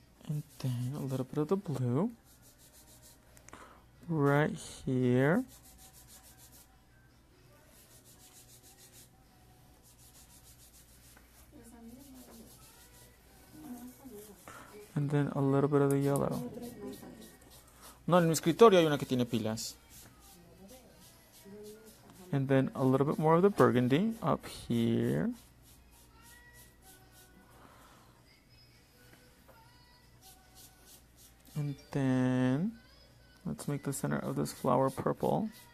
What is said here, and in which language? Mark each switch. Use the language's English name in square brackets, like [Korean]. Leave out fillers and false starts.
[English] And then a little bit of the blue right here. And then a little bit of the yellow. [Spanish] No, en mi escritorio hay una que tiene pilas. [English] And then a little bit more of the burgundy up here. And then, let's make the center of this flower purple.